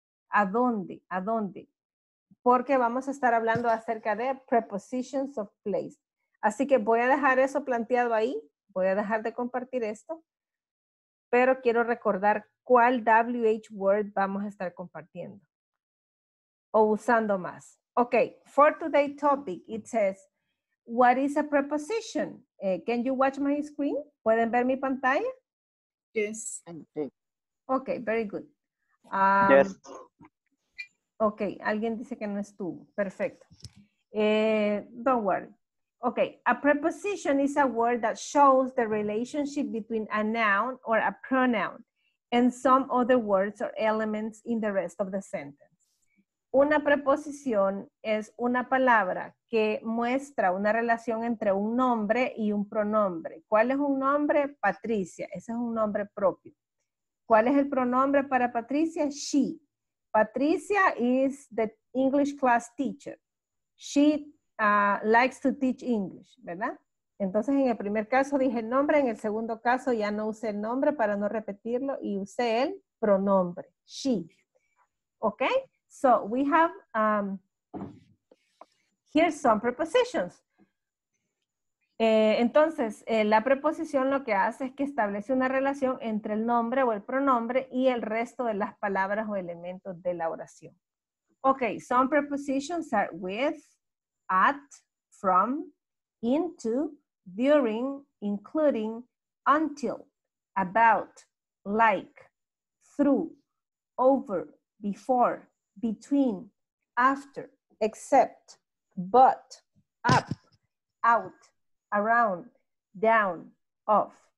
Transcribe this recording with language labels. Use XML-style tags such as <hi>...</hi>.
<es>¿A dónde? Porque vamos a estar hablando acerca de prepositions of place. Así que voy a dejar eso planteado ahí. Voy a dejar de compartir esto. Pero quiero recordar cuál WH word vamos a estar compartiendo. O usando más.</es> <en>Ok, for today's topic, it says, what is a preposition? Can you watch my screen?</en> <es>¿Pueden ver mi pantalla?</es> <en>Yes. Okay, very good. Yes.</en> <es>Okay, alguien dice que no estuvo. Perfecto.</es> <en>Don't worry. Okay, a preposition is a word that shows the relationship between a noun or a pronoun and some other words or elements in the rest of the sentence.</en> <es>Una preposición es una palabra que muestra una relación entre un nombre y un pronombre. ¿Cuál es un nombre? Patricia. Ese es un nombre propio. ¿Cuál es el pronombre para Patricia?</es> <en>She. Patricia is the English class teacher. She likes to teach English, ¿verdad?</en> <es>Entonces, en el primer caso dije el nombre, en el segundo caso ya no usé el nombre para no repetirlo y usé el pronombre. She. ¿Ok?</es> <en>So we have, here's some prepositions.</en> <es>Entonces, la preposición lo que hace es que establece una relación entre el nombre o el pronombre y el resto de las palabras o elementos de la oración.</es> <en>Okay, some prepositions are with, at, from, into, during, including, until, about, like, through, over, before, between, after, except, but, up, out, around, down, off.</en>